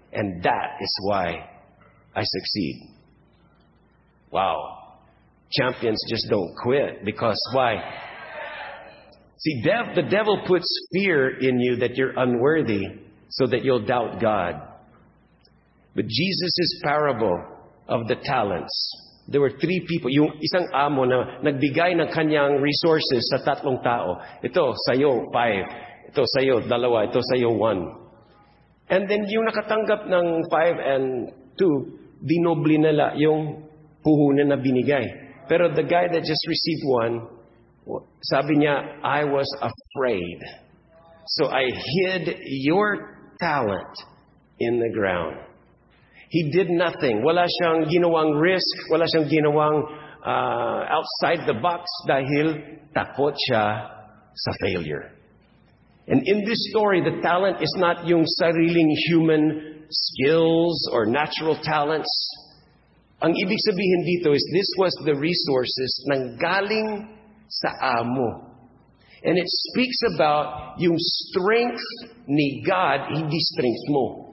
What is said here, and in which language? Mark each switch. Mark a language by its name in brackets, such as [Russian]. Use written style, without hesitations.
[English] And that is why I succeed. Wow. Champions just don't quit. Because why? See, the devil puts fear in you that you're unworthy so that you'll doubt God. But Jesus' parable of the talents, there were three people. [Filipino] Yung isang amo na nagbigay ng kanyang resources sa tatlong tao. Ito, sayo, five. Ito, sayo, dalawa. Ito, sayo, one. And then yung nakatanggap ng five and two, dinobli nila yung puhunan na binigay. [English] Pero the guy that just received one, [Filipino] sabi niya, [English] I was afraid. So I hid your talent in the ground. He did nothing. [Filipino] Wala siyang ginawang risk. Wala siyang ginawang [English] outside the box [Filipino] dahil takot siya sa failure. [English] And in this story, the talent is not [Filipino] yung sariling [English] human skills or natural talents. [Filipino] Ang ibig sabihin dito is [English] this was the resources [Filipino] nang galing sa amo. [English] And it speaks about yung strength ni God, [Filipino] hindi strength mo.